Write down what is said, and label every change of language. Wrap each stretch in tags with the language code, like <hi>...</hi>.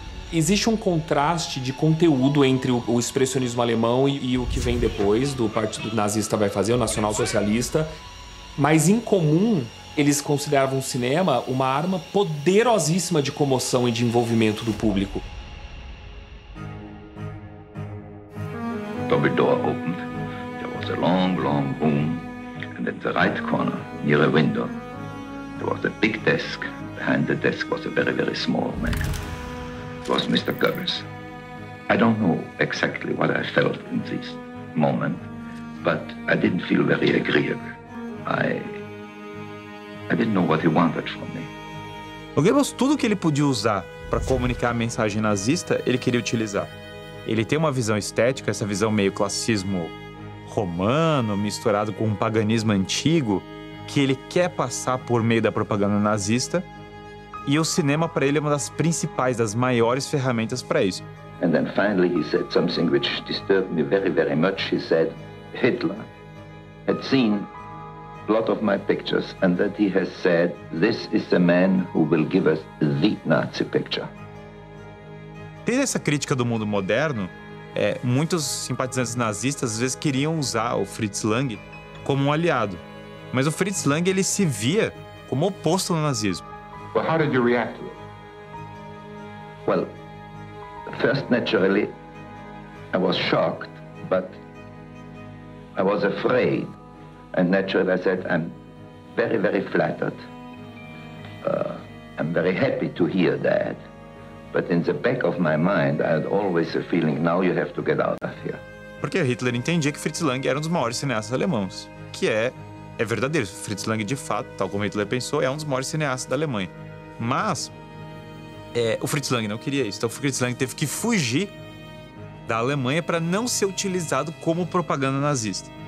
<pt>Existe um contraste de conteúdo entre o expressionismo alemão e o que vem depois do Partido Nazista vai fazer, o Nacional Socialista, mas em comum eles consideravam o cinema uma arma poderosíssima de comoção e de envolvimento do público.</pt> <en>The double door opened. There was a long, long room, and at the right corner, near a window, there was a big desk. Behind the desk was a very, very small man. It was Mr. Goebbels. I don't know exactly what I felt in this moment, but I didn't feel very agreeable. I didn't know what he wanted from me.</en> <pt>O Goebbels, tudo que ele podia usar para comunicar a mensagem nazista, ele queria utilizar. Ele tem uma visão estética, essa visão meio classicismo romano, misturado com um paganismo antigo, que ele quer passar por meio da propaganda nazista. E o cinema, para ele, é uma das principais, das maiores ferramentas para isso.</pt> <en>And then finally he said something which disturbed me very, very much. He said Hitler had seen a lot of my pictures and that he has said this is the man who will give us the Nazi picture.</en> <pt>Ter essa crítica do mundo moderno, muitos simpatizantes nazistas às vezes queriam usar o Fritz Lang como um aliado. Mas o Fritz Lang, ele se via como oposto ao nazismo.</pt> <en>Well, how did you react to it? Well, first naturally, I was shocked, but I was afraid. And naturally I said, I'm very, very flattered. I'm very happy to hear that. But in the back of my mind, I had always a feeling, now you have to get out of here.</en> <pt>Porque Hitler entendia que Fritz Lang era um dos maiores cineastas alemães. Que é verdadeiro. Fritz Lang, de fato, tal como Hitler pensou, é um dos maiores cineastas da Alemanha. Mas o Fritz Lang não queria isso. Então o Fritz Lang teve que fugir da Alemanha para não ser utilizado como propaganda nazista.</pt>